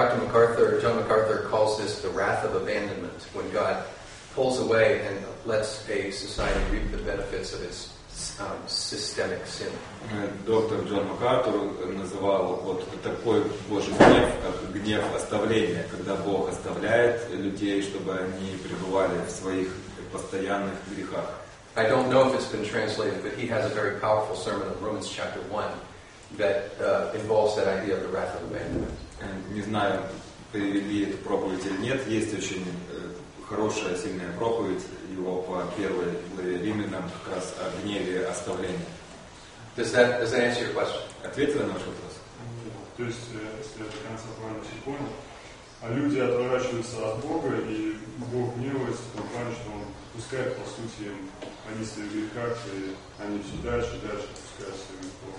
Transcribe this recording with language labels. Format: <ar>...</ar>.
<en>John MacArthur calls this the wrath of abandonment, when God pulls away and lets a society reap the benefits of its systemic sin.</en> <ru>Доктор Джон МакАртур называл вот такой Божий гнев, как гнев оставления, когда Бог оставляет людей, чтобы они пребывали в своих постоянных грехах.</ru> <en>I don't know if it's been translated, but he has a very powerful sermon in Romans chapter 1 that involves that idea of the wrath of abandonment.</en> <ru>Не знаю, перевели эту проповедь или нет. Есть очень хорошая, сильная проповедь его по первой главе Римлянам как раз о гневе оставления.</ru> <en>Does that answer your question?</en> <ru>Ответила на ваш вопрос? Нет. То есть, если я до конца правильно все понял, а люди отворачиваются от Бога, и Бог гневается, то правильно, что Он пускает, по сути, им, они свои грехи, и они все дальше и дальше пускают свои грехи.</ru>